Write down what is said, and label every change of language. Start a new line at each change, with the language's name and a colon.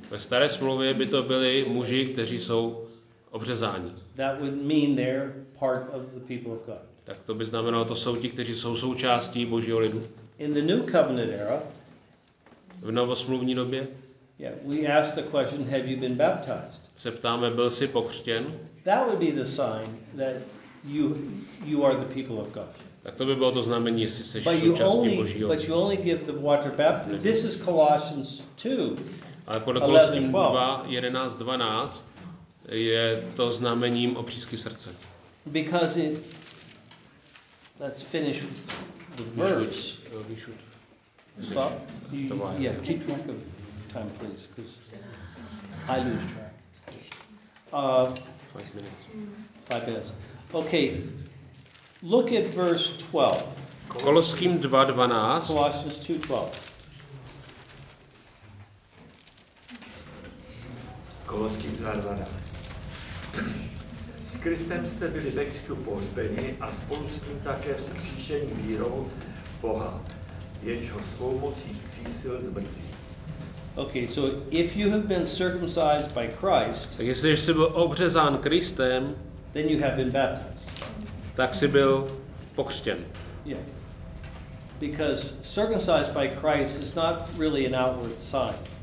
Czech: Ve staré smlouvě by to byli muži, kteří jsou obřezáni.
English: That would mean they're part of the people of God.
Czech: Tak to by znamenalo, to jsou ti, kteří jsou součástí Božího lidu.
English: In the new covenant era,
Czech: v novosmluvní době,
English: Yeah, we ask the question, have you been baptized?
Czech: Se ptáme, byl jsi pokřtěn?
English: That would be the sign that you are the people of God.
Czech: Tak to by bylo to znamení, jestli jsi součástí Božího.
English: But you only give the water baptism. This is Colossians 2.
Czech: Ale podle Koloským 2, 11-12 je to znamením obřízky srdce.
English: Because it, let's finish the verse. We should. Stop. Yeah, keep track of time, please, because I lose track. 5 minutes. 5 minutes. Okay. Look at verse 12.
Czech: Koloským 2:12.
English: Colossians 2:12.
Czech: Koloským 2:12. S Kristem jste byli ve Kristu pohřbeni a spolu s ním také vzkříšení vírou Boha, jež ho svou mocí vzkřísil z mrtvých.
English: Okay, so if you have been circumcised by Christ,
Czech: tak jestli jsi byl obřezán Kristem,
English: then you have been baptized.
Czech: Tak jsi byl pokřtěn.
English: Yeah. Because circumcised by Christ is not really an outward sign.